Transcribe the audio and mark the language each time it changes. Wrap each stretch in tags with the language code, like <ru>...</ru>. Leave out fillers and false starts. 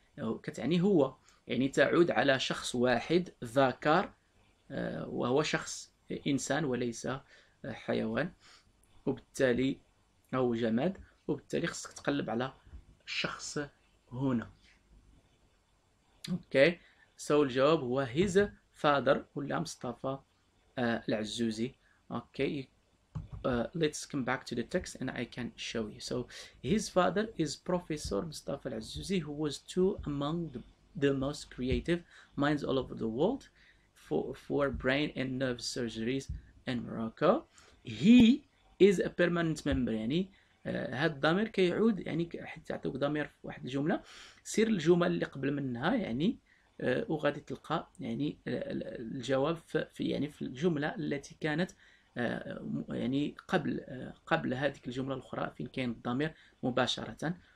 <ar>كتعني هو، يعني تعود على شخص واحد ذكر، وهو شخص إنسان وليس حيوان وبالتالي أو جماد، وبالتالي خصك تقلب على شخص هنا. اوكي، سو الجواب هو</ar> <en>his father</en> <ar>ولا مصطفى العزوزي.</ar> <en>Okay, let's come back to the text and I can show you. So his father is Professor Mustafa العزوزي, who was two among the most creative minds all over the world for brain and nerve surgeries in Morocco. He is a permanent member.</en> <ar>يعني هاد الضمير كيعود، يعني حتى عطوك ضمير في واحد الجملة، سير الجمل اللي قبل منها يعني وغادي تلقى يعني الجواب في يعني في الجملة التي كانت يعني قبل هذيك الجملة الأخرى فين كاين الضمير مباشرة.</ar>